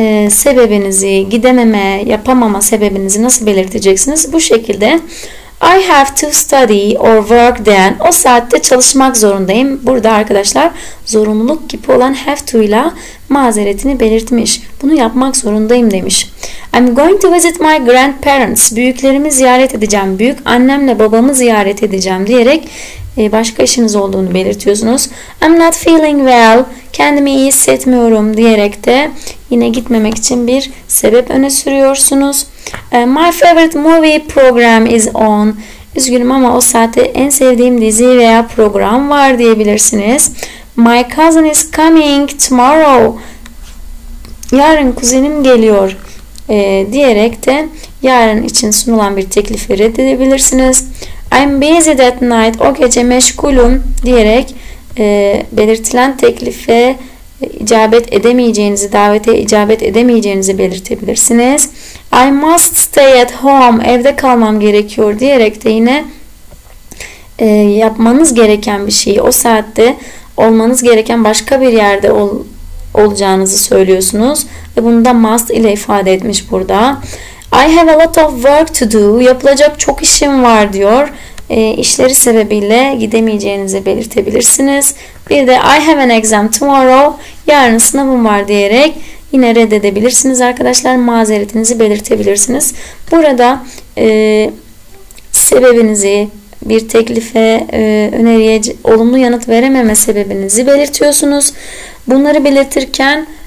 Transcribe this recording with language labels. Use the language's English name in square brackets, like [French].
[Turkish] Sebebinizi, gidememe, yapamama sebebinizi nasıl belirteceksiniz? Bu şekilde [English] I have to study or work then. [Turkish] O saatte çalışmak zorundayım. Burada arkadaşlar zorunluluk gibi olan have to ile mazeretini belirtmiş. Bunu yapmak zorundayım demiş. [English] I'm going to visit my grandparents. [Turkish] Büyüklerimi ziyaret edeceğim. Büyük annemle babamı ziyaret edeceğim diyerek başka işiniz olduğunu belirtiyorsunuz. [English] I'm not feeling well. [Turkish] Kendimi iyi hissetmiyorum diyerek de yine gitmemek için bir sebep öne sürüyorsunuz. [English] My favorite movie program is on. [Turkish] Üzgünüm ama o saatte en sevdiğim dizi veya program var diyebilirsiniz. [English] My cousin is coming tomorrow. [Turkish] Yarın kuzenim geliyor diyerek de yarın için sunulan bir teklifi reddedebilirsiniz. [English] I'm busy that night. [Turkish] O gece meşgulüm diyerek belirtilen teklife icabet edemeyeceğinizi, davete icabet edemeyeceğinizi belirtebilirsiniz. [English] I must stay at home. [Turkish] Evde kalmam gerekiyor diyerek de yine yapmanız gereken bir şeyi, o saatte olmanız gereken başka bir yerde olacağınızı söylüyorsunuz. Ve bunu da must ile ifade etmiş burada. [English] I have a lot of work to do. [Turkish] Yapılacak çok işim var diyor. İşleri sebebiyle gidemeyeceğinizi belirtebilirsiniz. Bir de [English] I have an exam tomorrow. [Turkish] Yarın sınavım var diyerek yine reddedebilirsiniz arkadaşlar. Mazeretinizi belirtebilirsiniz. Burada sebebinizi, bir teklife, öneriye olumlu yanıt verememe sebebinizi belirtiyorsunuz. Bunları belirtirken